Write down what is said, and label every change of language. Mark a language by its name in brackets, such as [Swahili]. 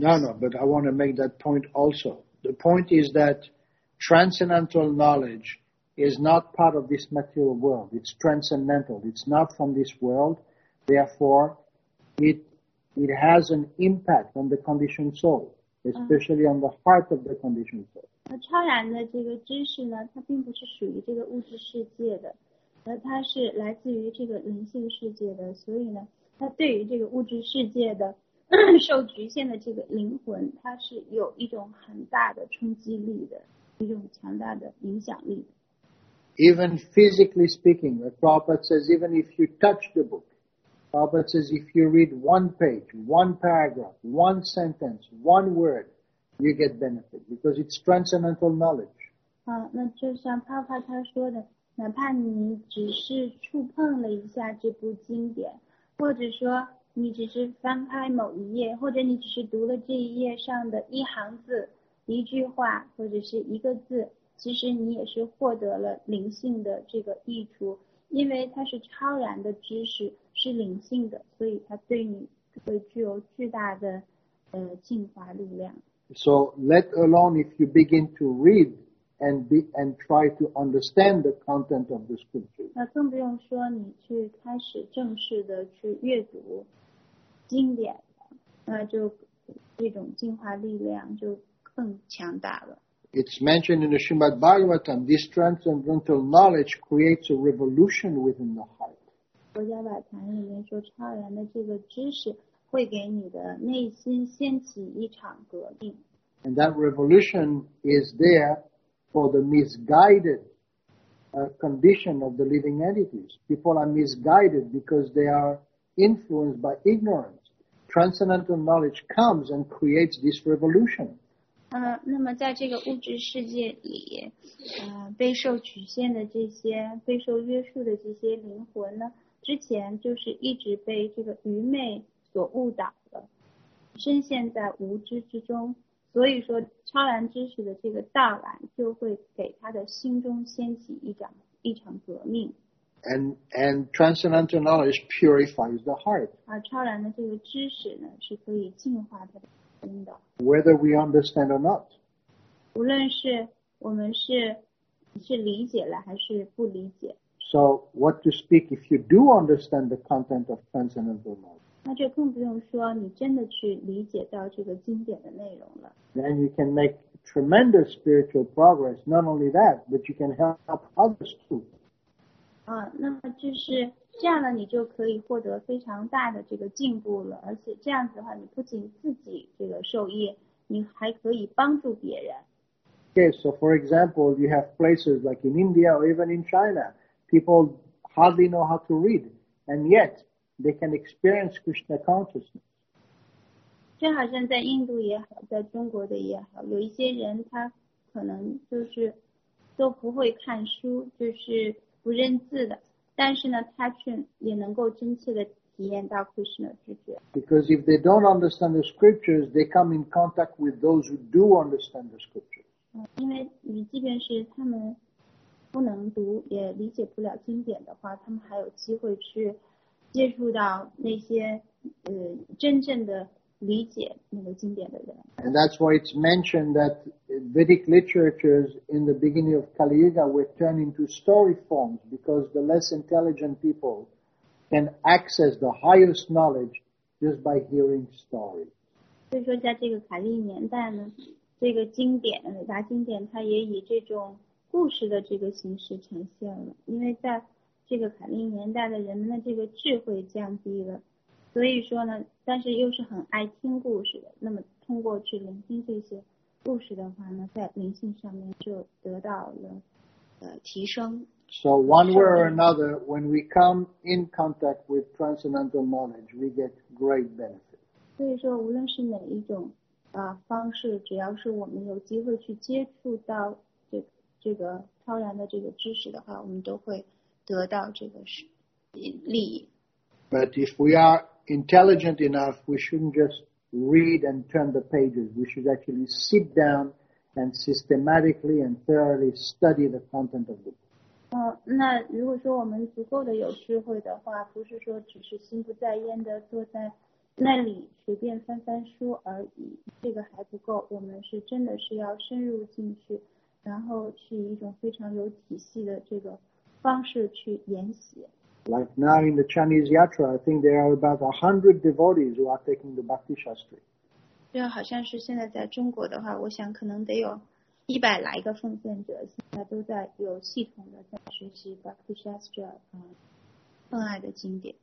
[English] No, but I want to make that point also. The point is that transcendental knowledge is not part of this material world. It's transcendental. It's not from this world. Therefore, it has an impact on the conditioned soul. Especially on the heart of the conditioned soul. [Chinese] 那超然的这个知识呢，它并不是属于这个物质世界的，而它是来自于这个灵性世界的。所以呢，它对于这个物质世界的受局限的这个灵魂，它是有一种很大的冲击力的，一种强大的影响力。 [English] Even physically speaking, the Prabhupada says, even if you touch the book. Prabhupada says if you read one page, one paragraph, one sentence, one word, you get benefit because it's transcendental knowledge. [Chinese] 那就像帕帕他说的，哪怕你只是触碰了一下这部经典，或者说你只是翻开某一页，或者你只是读了这一页上的一行字、一句话或者是一个字，其实你也是获得了灵性的这个益处，因为它是超然的知识。是灵性的，所以它对你会具有巨大的净化力量。 [English] So let alone if you begin to read and try to understand the content of the scripture. [Chinese] 那更不用说你去开始正式的去阅读经典，那就这种净化力量就更强大了。 [English] It's mentioned in the Srimad Bhagavatam, this transcendental knowledge creates a revolution within the heart. [Chinese] 佛家法坛里面说，超然的这个知识会给你的内心掀起一场革命。 [English] And that revolution is there for the misguided condition of the living entities. People are misguided because they are influenced by ignorance. Transcendental knowledge comes and creates this revolution. [Chinese] 那么在这个物质世界里，备受局限的这些、备受约束的这些灵魂呢？之前就是一直被这个愚昧所误导的，深陷在无知之中，所以说超然知识的这个到来就会给他的心中掀起一场革命。 [English] And transcendental knowledge purifies the heart. [Chinese] 超然的这个知识呢是可以净化他的心的。 [English] Whether we understand or not. [Chinese] 无论是我们是理解了还是不理解。 [English] So, what to speak if you do understand the content of transcendental knowledge? [Chinese] 那就更不用说你真的去理解到这个经典的内容了。 [English] Then you can make tremendous spiritual progress. Not only that, but you can help others too. [Chinese] 那么就是这样呢，你就可以获得非常大的这个进步了。而且这样子的话，你不仅自己这个受益，你还可以帮助别人。 [English] Okay, so for example, you have places like in India or even in China. people hardly know how to read, and yet they can experience Krishna consciousness. [Chinese] 就好像在印度也好，在中国的也好，有一些人他可能就是都不会看书，就是不认字的，但是呢，他却也能够真切的体验到 Krishna 知觉。 [English] Because if they don't understand the scriptures, they come in contact with those who do understand the scriptures. [Chinese] 因为你即便是他们不能读，也理解不了经典的话，他们还有机会去接触到那些真正的理解那个经典的人。 [English] And that's why it's mentioned that Vedic literatures in the beginning of Kali Yuga were turned into story forms because the less intelligent people can access the highest knowledge just by hearing stories. [Chinese] 所以说，在这个卡利年代呢，这个经典，伟大经典，它也以这种故事的这个形式呈现了，因为在这个卡利年代的人们的这个智慧降低了，所以说呢，但是又是很爱听故事的，那么通过去聆听这些故事的话呢，在灵性上面就得到了提升。 [English] So one way or another, when we come in contact with transcendental knowledge, we get great benefit. [Chinese] 所以说无论是哪一种方式，只要是我们有机会去接触到这个超然的这个知识的话，我们都会得到这个利益。 [English] But if we are intelligent enough, we shouldn't just read and turn the pages. We should actually sit down and systematically and thoroughly study the content of the book. [Chinese] 那如果说我们足够的有智慧的话，不是说只是心不在焉的坐在那里随便翻翻书而已，这个还不够。我们是真的是要深入进去。然后是一种非常有体系的这个方式去研习。 [English] Like now in the Chinese Yatra, I think there are about 100 devotees who are taking the Bhakti Shastri. [Chinese] 就好像是现在在中国的话，我想可能得有100来个奉献者，现在都在有系统的在学习 Bhakti Shastri, 恩爱的经典。